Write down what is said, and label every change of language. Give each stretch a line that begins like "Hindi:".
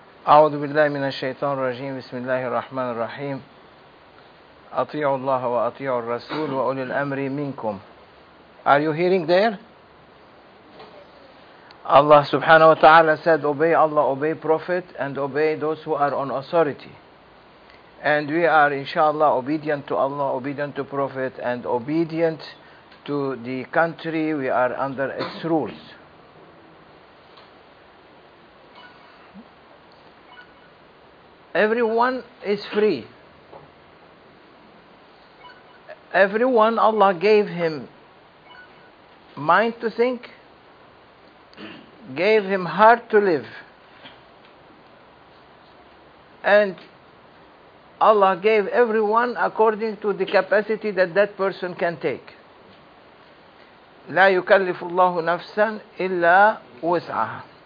Arabic: أعوذ بالله من الشيطان الرجيم بسم الله الرحمن الرحيم أطيع الله وأطيع الرسول وأولي الأمر منكم.
English: Are you hearing there? Allah subhanahu wa ta'ala said, obey Allah, obey Prophet, and obey those who are on authority. And we are inshallah obedient to Allah, obedient to Prophet, and obedient to the country we are under its rules. Everyone is free. Everyone, Allah gave him mind to think, gave him heart to live, and Allah gave everyone according to the capacity that that person can take.
Arabic: لا يكلف الله نفسا إلا وسعها.